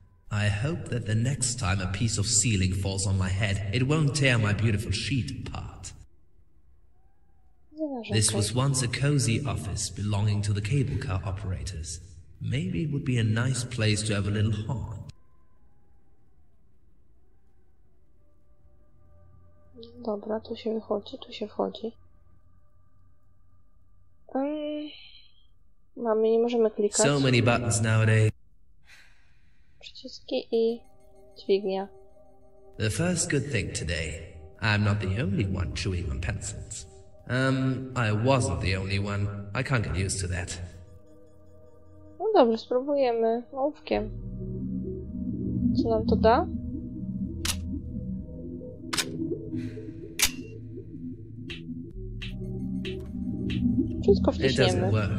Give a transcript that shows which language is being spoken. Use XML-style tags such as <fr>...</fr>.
<en>I hope that the next time a piece of ceiling falls on my head, it won't tear my beautiful sheet apart. This was once a cozy office belonging to the cable car operators. Maybe it would be a nice place to have a little haunt.</en> <pl>Dobra, tu się wychodzi, tu się wchodzi. Mamy, nie możemy klikać.</pl> <en>So many buttons nowadays.</en> <pl>Przyciski i dźwignia.</pl> <en>The first good thing today. I'm not the only one chewing on pencils. I wasn't the only one. I can't get used to that.</en> <pl>No dobrze, spróbujemy ołówkiem. Co nam to da? Wszystko wciśniemy.</pl>